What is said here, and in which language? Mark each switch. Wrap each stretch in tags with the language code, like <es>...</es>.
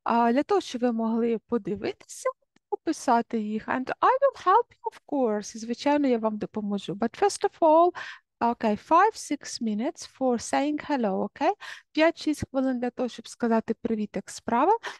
<uk>Для того, щоб ви могли подивитися, описати їх.</uk> <en>And I will help you, of course.</en> <uk>Звичайно, я вам допоможу.</uk> <en>But first of all, okay, 5-6 minutes for saying hello, okay?</en> <uk>5-6 хвилин для того, щоб сказати привіт, як справа.</uk>